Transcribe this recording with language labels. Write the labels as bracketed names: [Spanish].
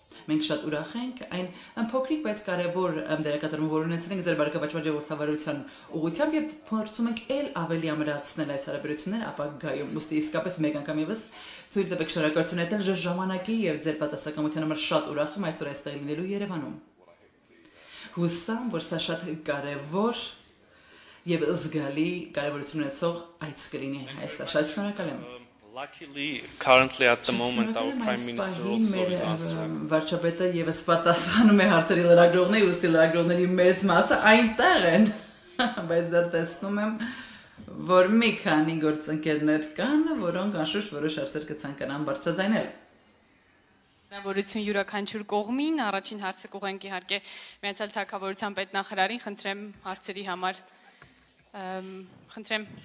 [Armenian] Մենք շատ ուրախ ենք այն փոքրիկ, բայց կարևոր դերակատարումը, որ ունեցել ենք ձեր բարգավաճման ժողովրդավարության ուղղությամբ, և փորձում ենք էլ ավելի ամրացնել այս հարաբերությունները ապագայում, ուստի իսկապես մեկ անգամ ևս ցույց տվեք շնորհակալություն այդ ժամանակի և ձեր պատասխանատվության համար, շատ ուրախ եմ այսօր այստեղ լինելու Երևանում։ Հուսամ, որ սա շատ կարևոր և զգալի կարևորություն ունեցող այց կլինի այստեղ, շատ շնորհակալ եմ։ [English] Luckily, currently at the moment, our Prime Minister also is asking. [Armenian] Վարչապետը ևս պատասխանում է հարցերի լրագրողների, ուստի լրագրողների մեծ մասը այնտեղ են, բայց դեռ տեսնում եմ, որ մի քանի գործընկերներ կան, որոնք անշուշտ որոշ հարցեր կցանկանան բարձրաձայնել։ Հնարավորություն յուրաքանչյուր կողմին, առաջին հարցը կուղենք իհարկե Միացյալ Թագավորության պետնախարարին, խնդրեմ հարցերի համար, խնդրեմ։